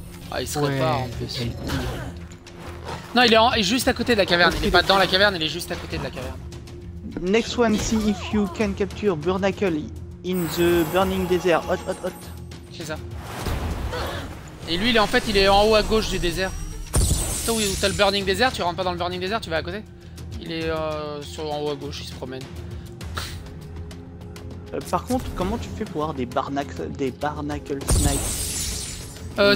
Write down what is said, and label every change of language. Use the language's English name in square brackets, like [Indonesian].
[French] Ah, il se répare en plus. Non, il est juste à côté de la caverne. Il est pas dans la caverne, il est juste à côté de la caverne. [English] Next one, see if you can capture Burnacle in the burning desert. Hot. [French] C'est ça. Et lui, il est en haut à gauche du désert. Toi, où t'as le burning desert, tu rentres pas dans le burning desert, tu vas à côté. Il est en haut à gauche, il se promène. Par contre, comment tu fais pour avoir des Barnacle Snipes?